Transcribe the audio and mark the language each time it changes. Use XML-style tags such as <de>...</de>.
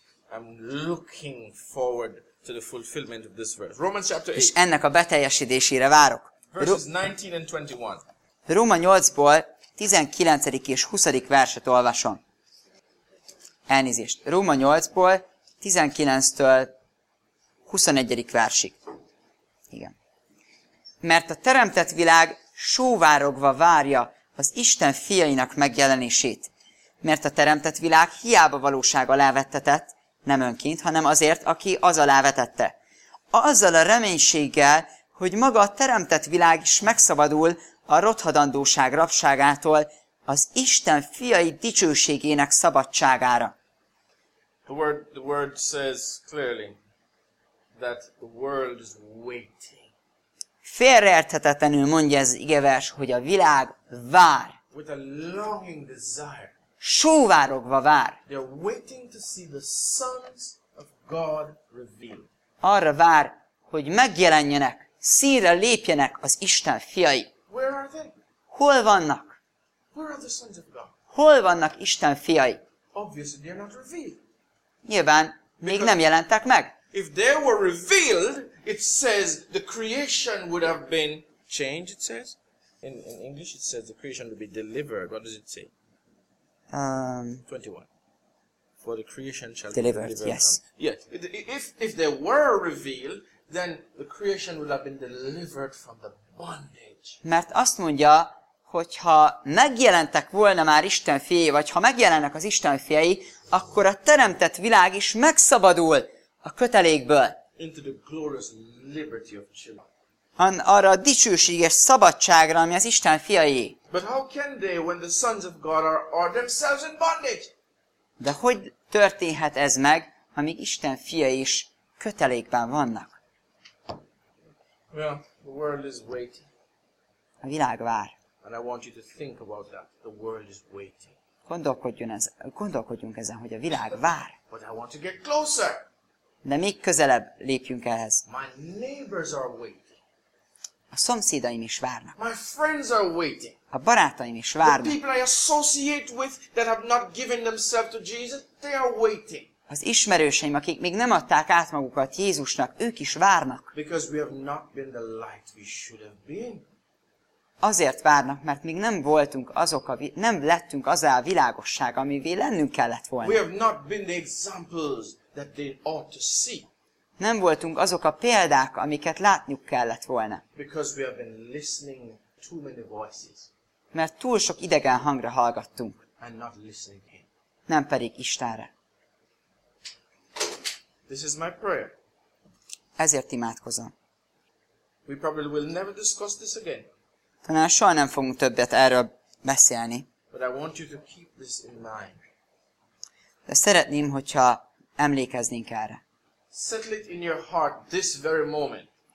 <en>I'm looking forward to the fulfillment of this verse. Romans chapter 8.</en> <hu>És ennek a beteljesedésére várok.</hu> <en>Verses 19 and 21.</en> <hu>Róma 8-ból 19. és 20. verset olvasom. Elnézést. Róma 8-ból 19-től 21. versig. Igen. Mert a teremtett világ sóvárogva várja az Isten fiainak megjelenését. Mert a teremtett világ hiába valóság alá vettetett, nem önként, hanem azért, aki az alá vetette. Azzal a reménységgel, hogy maga a teremtett világ is megszabadul a rothadandóság rabságától, az Isten fiai dicsőségének szabadságára.</hu> <en>The word says clearly that the world is waiting.</en> <hu>Félreérthetetlenül mondja ez igevers, hogy a világ vár.</hu> <en>With a longing desire.</en> <hu>Sóvárogva vár.</hu> <en>They are waiting to see the sons of God revealed.</en> <hu>Arra vár, hogy megjelenjenek, színre lépjenek az Isten fiai.</hu> <en>Where are they?</en> <hu>Hol vannak?</hu> <en>Where are the sons of God?</en> <hu>Hol vannak Isten fiai?</hu> <en>Obviously they are not revealed.</en> <hu>Nyilván</hu> <en>because</en> <hu>még nem jelentek meg.</hu> <en>If they were revealed, it says the creation would have been changed, it says. In English it says the creation would be delivered. What does it say? 21. For the creation shall delivered, be delivered. Yes. Yeah. If they were revealed, then the creation would have been delivered from the bondage.</en> <hu>Mert azt mondja, hogyha megjelentek volna már Isten fiai, vagy ha megjelennek az Isten fiai, akkor a teremtett világ is megszabadul a kötelékből.</hu> <en>Into the glorious liberty of children.</en> <hu>Arra a dicsőséges szabadságra, ami az Isten fiai.</hu> <en>But how can they when the sons of God are themselves in bondage?</en> <hu>De hogy történhet ez meg, amíg Isten fiai is kötelékben vannak?</hu> <en>Well, the world is waiting.</en> <hu>A világ vár.</hu> <en>And I want you to think about that. The world is waiting.</en> <hu>Gondolkodjunk ezen, hogy a világ vár.</hu> <en>But I want to get closer.</en> <hu>De még közelebb lépjünk ehhez.</hu> <en>My neighbors are waiting.</en> <hu>A szomszédaim is várnak.</hu> <en>My friends are waiting.</en> <hu>A barátaim is várnak.</hu> <en>The people I associate with that have not given themselves to Jesus, they are waiting.</en> <hu>Az ismerőseim, akik még nem adták át magukat Jézusnak, ők is várnak.</hu> <en>Because we have not been the light we should have been.</en> <hu>Azért várnak, mert még nem voltunk azok a nem lettünk az a világosság, amivé lennünk kellett volna.</hu> <en>We have not been the examples that they ought to see.</en> <hu>Nem voltunk azok a példák, amiket látniuk kellett volna.</hu> <en>Because we have been listening too many voices.</en> <hu>Mert túl sok idegen hangra hallgattunk.</hu> <en>And not listening to him.</en> <hu>Nem pedig Istenre.</hu> <en>This is my prayer.</en> <hu>Ezért imádkozom.</hu> <en>We probably will never discuss this again.</en> <hu>Talán soha nem fogunk többet erről beszélni.</hu> <en>But I want you to keep this in mind.</en> <hu>De szeretném, hogyha emlékeznénk erre.</hu> <en>Settle it in your heart this very moment.</en>